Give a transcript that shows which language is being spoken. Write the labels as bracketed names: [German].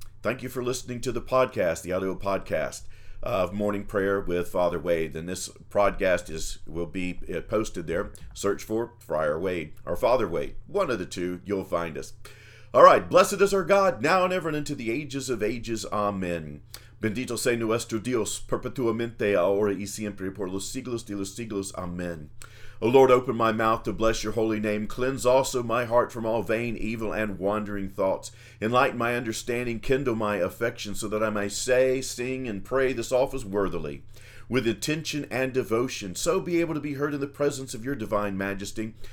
[English] Thank you for listening to the podcast, the audio podcast of Morning Prayer with Father Wade. And this podcast will be posted there. Search for Friar Wade or Father Wade. One of the two, you'll find us. All right. Blessed is our God, now and ever and into the ages of ages. Amen. [Spanish] Bendito sea nuestro Dios, perpetuamente, ahora y siempre, por los siglos de los siglos. [English] Amen. O Lord, open my mouth to bless your holy name. Cleanse also my heart from all vain, evil, and wandering thoughts. Enlighten my understanding, kindle my affection, so that I may say, sing, and pray this office worthily, with attention and devotion, so be able to be heard in the presence of your divine majesty.